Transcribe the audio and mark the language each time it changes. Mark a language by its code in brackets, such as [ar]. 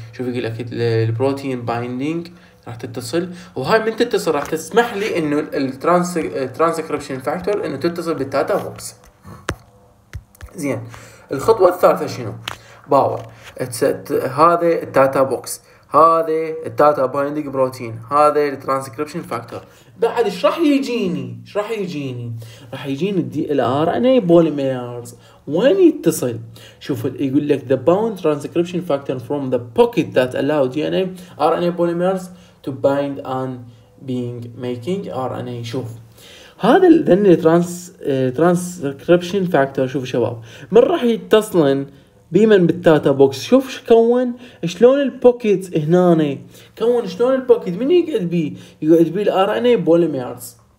[ar] شوف يقول لك البروتين بايندينج راح تتصل، وهاي من تتصل راح تسمح لي انه الترانسكريبشن فاكتور انه تتصل بالداتا بوكس. زين. الخطوة الثالثة شنو؟ باور. هذا الداتا بوكس، هذا الداتا بايندينج بروتين، هذا الترانسكريبشن فاكتور. بعد ايش راح يجيني؟ ايش راح يجيني؟ راح يجيني الدي ال ار ان اي بوليميرز. وين يتصل؟ شوف يقول لك [en] the bound transcription factor from the pocket that allow DNA RNA polymers to bind and being making RNA. [ar] شوف هذا ذن الترانسكريبشن فاكتور. شوف شباب من راح يتصلن بيمن بالتاتا بوكس، شوف شو كون شلون البوكيت هنا، كون شلون البوكيت من يقعد بيه، يقعد بيه الار ان اي بوليميرز.